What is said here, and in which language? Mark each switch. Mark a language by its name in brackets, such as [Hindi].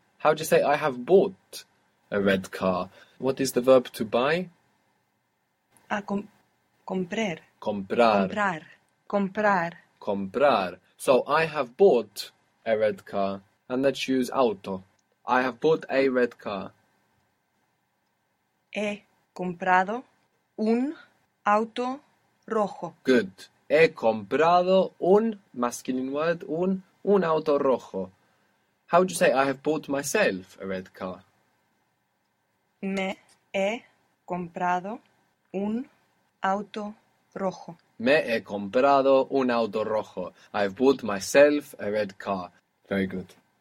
[English] How do you say I have bought a red car? What is the verb to buy? [Spanish] Comprar. Comprar. Comprar. Comprar. Comprar. [English] So I have bought a red car. And let's use auto. I have bought a red car. [Spanish] He comprado un auto rojo. Good. He comprado un, [English] masculine word, [Spanish] un auto rojo. [English] How would you say I have bought myself a red car? [Spanish] Me he comprado un auto rojo. Me he comprado un auto rojo. [English] I have bought myself a red car. Very good.